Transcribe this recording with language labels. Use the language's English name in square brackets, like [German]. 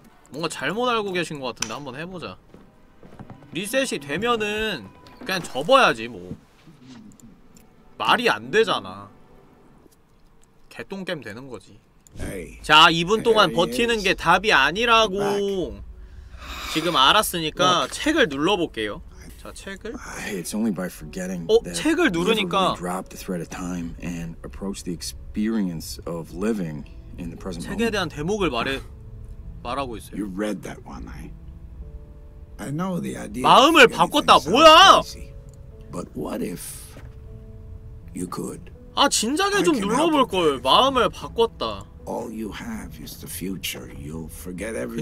[Korean] 뭔가 잘못 알고 계신 것 같은데 한번 해보자. 리셋이 되면은 그냥 접어야지 뭐. 말이 안 되잖아. 개똥겜 되는 거지. 자, 2분 동안 버티는 게 답이 아니라고 지금 알았으니까 책을 눌러 볼게요. 자, 책을. [English] It's only by forgetting. [Korean] 어, 책을 누르니까 [English] drop the thread of time and approach the experience of living in the present moment. [Korean] 책에 대한 대목을 말하고 있어요. [English] You read that one, I. I know the idea. [Korean] 마음을 바꿨다. 뭐야? [English] But what if you could? [Korean] 아, 진작에 좀 눌러 볼 걸. 마음을 바꿨다. [English] All you have is the future. You'll forget everything.